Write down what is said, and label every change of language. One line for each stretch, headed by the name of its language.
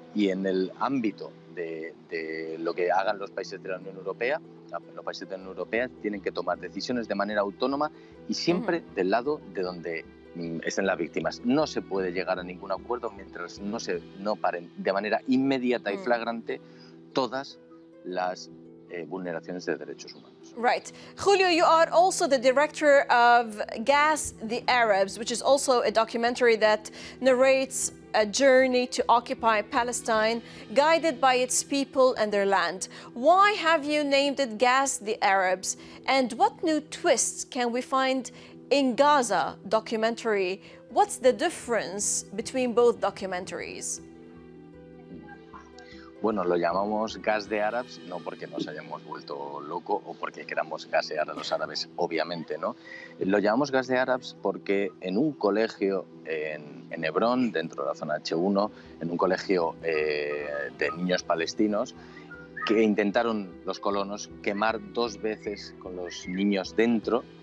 Spanish: Y en el ámbito de lo que hagan los países de la Unión Europea, los países de la Unión Europea tienen que tomar decisiones de manera autónoma y siempre del lado de donde estén las víctimas. No se puede llegar a ningún acuerdo mientras no paren de manera inmediata y flagrante todas las vulneraciones de derechos humanos.
English: Right. Julio, you are also the director of Gas the Arabs, which is also a documentary that narrates a journey to occupy Palestine, guided by its people and their land. Why have you named it Gas the Arabs? And what new twists can we find in Gaza documentary? What's the difference between both documentaries?
Spanish: Bueno, lo llamamos Gas de Árabes, no porque nos hayamos vuelto loco o porque queramos gasear a los árabes, obviamente, ¿no? Lo llamamos Gas de Árabes porque en un colegio en Hebrón, dentro de la zona H1, en un colegio de niños palestinos, que intentaron los colonos quemar dos veces con los niños dentro,